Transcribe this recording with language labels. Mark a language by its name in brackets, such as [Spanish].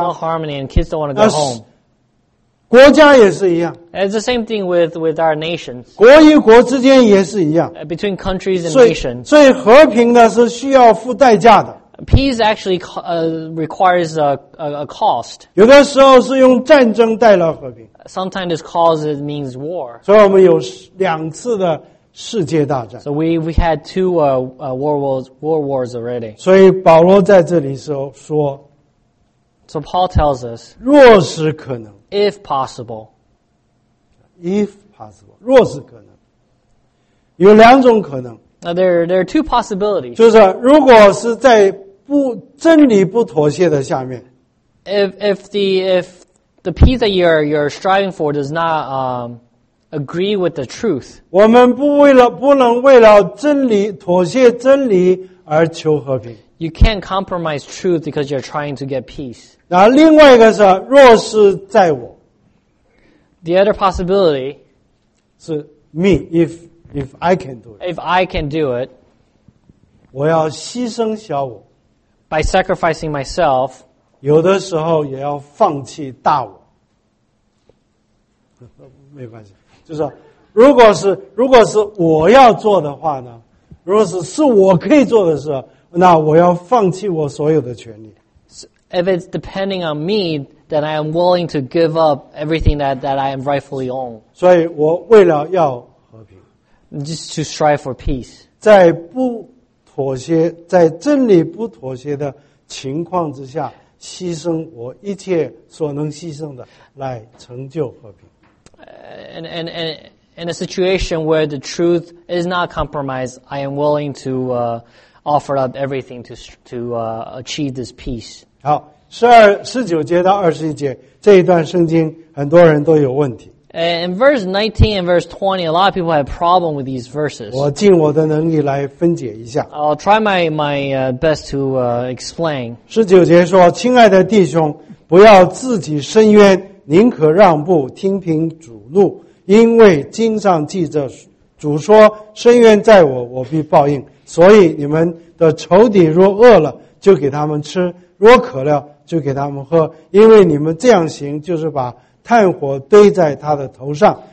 [English] there's no harmony, and kids don't want to go home. [Chinese] 国家也是一样, [English] and it's the same thing with our nations. [Chinese] 国与国之间也是一样, [English] between countries and nations. [Chinese] 所以和平呢是需要付代价的。 [English] Peace actually requires a cost. [Chinese] 有的时候是用战争带来和平。 [English] Sometimes this cause means war. [Chinese] 所以我们有两次的世界大战。 [English] So we had two war wars already. [Chinese] 所以保罗在这里说说。 [English] So Paul tells us. [Chinese] 若是可能。 [English] If possible. If possible. [Chinese] 若是可能。有两种可能。 [English] Now there are two possibilities. [Chinese] 就是如果是在不真理不妥协的下面。 [English] If the peace that you're striving for does not, agree with the truth. [Chinese] 我们不能为了真理妥协真理而求和平。 [English] You can't compromise truth because you're trying to get peace. [Chinese] 那另外一个是若是在我。 [English] The other possibility [Chinese] 是 [English] me, if I can do it. If I can do it. [Chinese] 我要牺牲小我。 [English] By sacrificing myself. [Chinese] 有的时候也要放弃大我。没关系。就是如果是我要做的话呢，如果是我可以做的事，那我要放弃我所有的权利。 [English] So, if it's depending on me, then I am willing to give up everything that I am rightfully own. [Chinese] 所以我为了要和平 [English] ，just to strive for peace. [Chinese] 在不妥协，在真理不妥协的情况之下，牺牲我一切所能牺牲的，来成就和平。 [English] And in a situation where the truth is not compromised, I am willing to offer up everything to achieve this peace. [Chinese] 好，19节到21节这一段圣经，很多人都有问题。 [English] In verse 19 and verse 20, a lot of people have problem with these verses. [Chinese] 我尽我的能力来分解一下。 [English] I'll try my best to explain. [Chinese] 19节说，亲爱的弟兄，不要自己伸冤。宁可让步，听凭主怒，因为经上记着，主说：“深渊在我，我必报应。” 所以你们的仇敌若饿了，就给他们吃；若渴了，就给他们喝。因为你们这样行，就是把炭火堆在他的头上。